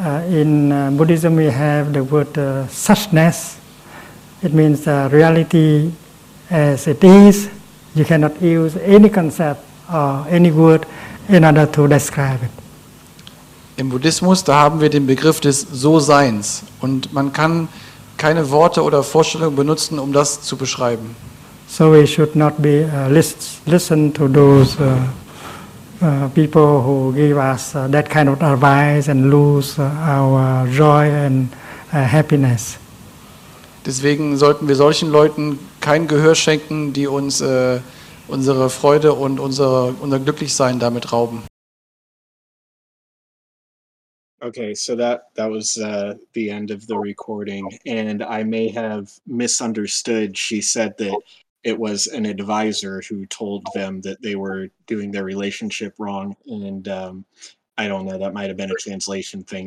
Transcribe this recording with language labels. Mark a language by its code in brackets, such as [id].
[en] In Buddhism we have the word suchness. It means reality as it is. You cannot use any concept or any word in order to describe it. [de] Im Buddhismus, da haben wir den Begriff des So-Seins, und man kann keine Worte oder Vorstellungen benutzen, um das zu beschreiben. [en] So we should not be listen to those people who give us that kind of advice and lose our joy and happiness. [de] Deswegen sollten wir solchen Leuten kein Gehör schenken, die uns unsere Freude und unser Glücklichsein damit rauben. [en] Okay, so that was the end of the recording, and I may have misunderstood. She said that it was an advisor who told them that they were doing their relationship wrong, and I don't know, that might have been a translation thing.